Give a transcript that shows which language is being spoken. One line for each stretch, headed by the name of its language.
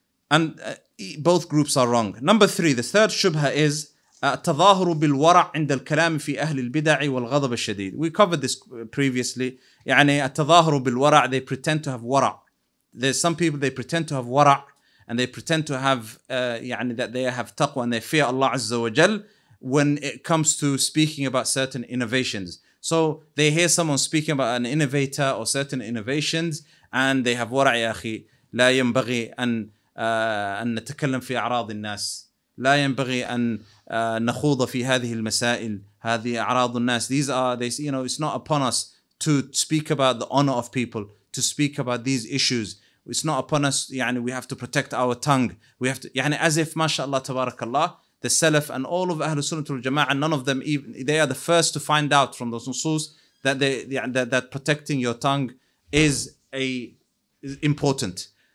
English: And both groups are wrong. Number three, the third shubha is
Arabic: التظاهر بالورع عند الكلام في أهل البدع والغضب الشديد.
English: We covered this previously.
Arabic: يعني التظاهر بالورع,
English: they pretend to have ورع. There's some people, they pretend to have ورع and they pretend to have
Arabic: يعني
English: that they have taqwa and they fear Allah Azza wa Jal when it comes to speaking about certain innovations. So they hear someone speaking about an innovator or certain innovations and they have ورع.
Arabic: يا أخي لا ينبغي أن نتكلم في أعراض الناس, لا ينبغي أن نخوض في هذه المسائل, هذه أعراض الناس.
English: These are, they, you know, it's not upon us to speak about the honor of people, to speak about these issues. It's not upon us,
Arabic: يعني
English: we have to protect our tongue. We have to, يعني as if, mashallah, tabarakallah, the Salaf and all of Ahlul Sunnah wal Jama'ah, none of them even, they are the first to find out from those nusus that they, that protecting your tongue is important.